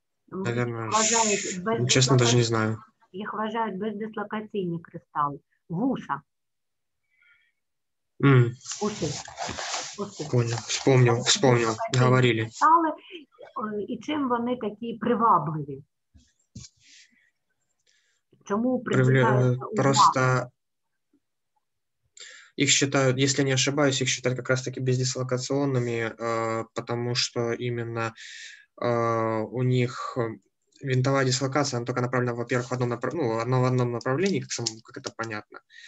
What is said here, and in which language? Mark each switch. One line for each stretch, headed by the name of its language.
Russian: Наверное, честно, даже не знаю.
Ukrainian: Їх вважають бездислокаційні кристали. Вуса.
Russian: Уси. Понял, вспомнил, говорили. Кристалы, и чем
Ukrainian: вони такі привабливі? Чому привабливі?
Russian: Просто их считают, если не ошибаюсь, их считают как раз-таки бездислокационными, потому что именно у них винтовая дислокация, она только направлена, во-первых, в одном направлении, как это понятно.